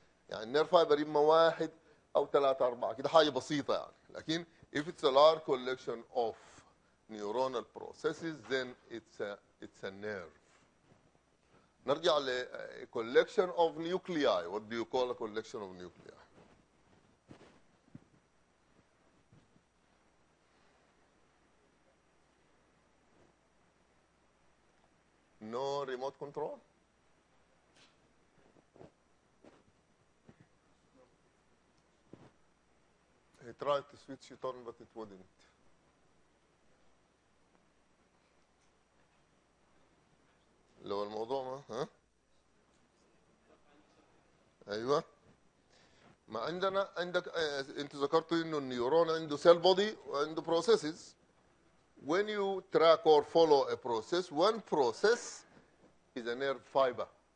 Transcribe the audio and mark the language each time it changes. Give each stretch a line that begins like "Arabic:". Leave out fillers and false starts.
Arabic: يعني nerve fiber إما واحد أو ثلاثة أربعة كده حاجة بسيطة يعني. لكن
English: if it's a large collection of neuronal processes then it's a nerve.
Arabic: نرجع ل
English: collection of nuclei. What do you call a collection of nuclei؟ No remote control. He tried to switch it on but it wouldn't.
Arabic: لو الموضوع ما ها ايوه ما عندنا عندك انت ذكرت انه النيورون عنده سيل بودي وعنده بروسيسز
English: when you track or follow a process one process is a nerve fiber